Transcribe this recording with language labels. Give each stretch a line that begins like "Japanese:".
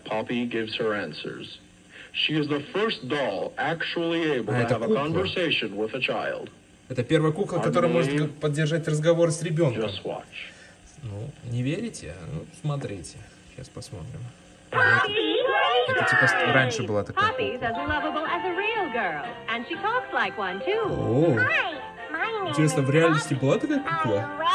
English: Поппи gives her answers. She is the first doll actually able to have a conversation with a child.
Russian: Это первая кукла, которая может поддержать разговор с ребенком.
English: Just watch.
Russian: Ну, не верите? Ну, смотрите. Сейчас посмотрим. Это типа раньше была такая.
English: Поппи is as lovable as a real girl. And she talks like one, too. Hi, my
Russian: Интересно, в реальности была такая кукла?